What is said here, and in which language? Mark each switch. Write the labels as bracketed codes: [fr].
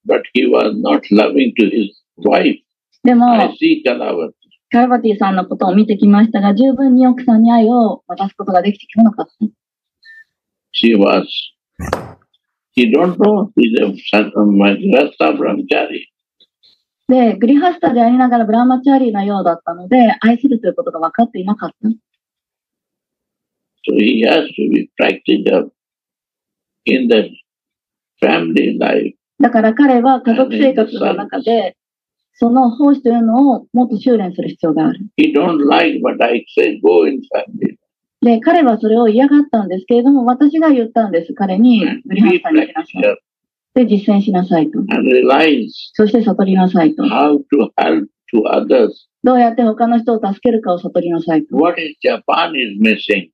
[en] But he was not loving to his wife. [ja] でも、 [en] I see Kalavati. [ja] カラバティさんのことを見てきましたが、十分に奥さんに愛を渡すことができてきなかった。 [en] She was. He don't know. He's a Madhyastha Brahmachari. [ja] で、グリハスタでありながらブラマチャリーなようだったので、愛するということが分かっていなかった。 [en] So he has to be practiced up in the family life. [ja] だから彼は家族生活の中で、その奉仕というのをもっと修練する必要がある。 [en] He don't like what I say, go in family. [ja] で、彼はそれを嫌がったんですけれども、私が言ったんです。彼に、ブリハスタに行きなさい。で、実践しなさいと。 [en] And realize. [ja] そして悟りなさいと。 [en] How to help to others. [ja] どうやって他の人を助けるかを悟りなさいと。 [en] What is Japan is missing?